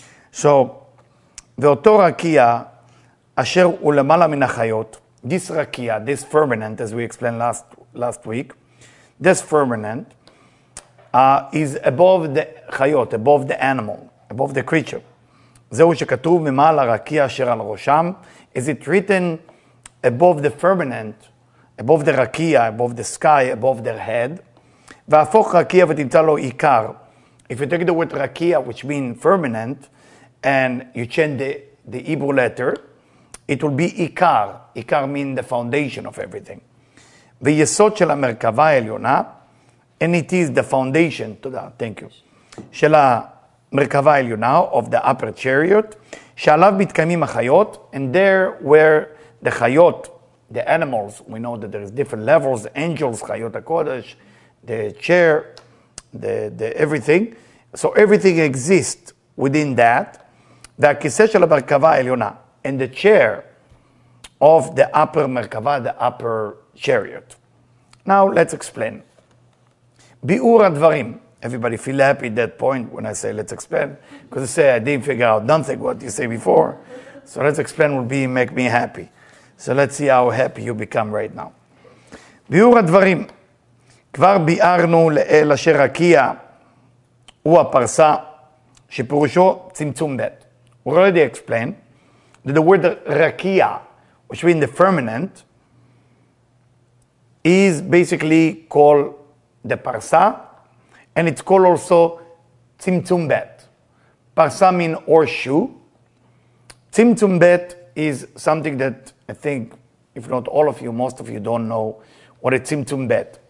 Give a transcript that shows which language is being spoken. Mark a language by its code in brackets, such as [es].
[en] So, [he] ואותו רקיה, אשר הוא למעלה מן החיות, [en] this רקיה, this firmament, as we explained last week, this firmament is above the חיות, above the animal, above the creature. [he] זהו שכתוב ממעלה רקיה אשר על ראשם, [en] is it written above the firmament, above the rakia, above the sky, above their head. [he] והפוך רקיה ותמצא לו עיקר. [en] If you take the word rakia, which means firmament, and you change the Hebrew letter, it will be עיקר. עיקר means the foundation of everything. [he] ויסוד של המרכבה העליונה, [en] and it is the foundation, [he] תודה, [en] thank you, [he] של המרכבה העליונה, [en] of the upper chariot, [he] שעליו מתקיימים החיות, [en] and there where the chayot, the animals, we know that there is different levels, angels, chayot HaKodesh, the chair, the everything. So everything exists within that. [he] והכיסא של המרכבה העליונה, [en] and the chair of the upper merkava, the upper chariot. Now let's explain. [he] Bi'ur ha-dvarim. [en] Everybody feel happy at that point when I say let's explain. Because I say I didn't figure out nothing what you say before. So let's explain will be make me happy. So let's see how happy you become right now. [he] Bi'ur ha-dvarim. כבר ביארנו לאל אשר הקיע הוא הפרסה שפירושו צמצום דת. [en] We already explained that the word rakia, which means the firmament, is basically called the parsa, and it's called also tzimtzum bet. Parsa means horseshoe. Tzimtzum bet is something that I think, if not all of you, most of you don't know what a tzimtzum bet.